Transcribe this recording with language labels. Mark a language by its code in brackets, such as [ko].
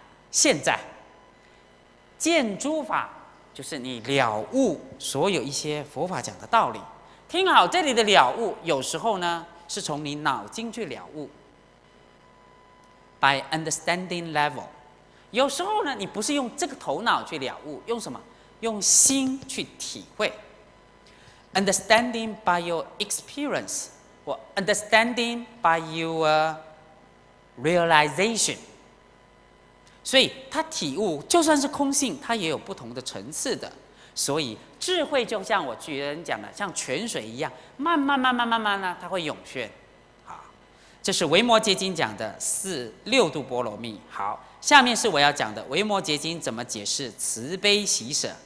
[zh] 现在见诸法，就是你了悟所有一些佛法讲的道理。听好，这里的了悟有时候呢是从你脑筋去了悟 by understanding level，有时候呢你不是用这个头脑去了悟，用什么？用心去体会。 [en] understanding by your experience， 或 understanding by your realization。 [zh] 所以他体悟就算是空性，他也有不同的层次的。所以智慧就像我举人讲的，像泉水一样，慢慢慢慢慢慢呢，它会涌现。好，这是维摩诘经讲的六度波罗蜜。好，下面是我要讲的维摩诘经怎么解释慈悲喜舍。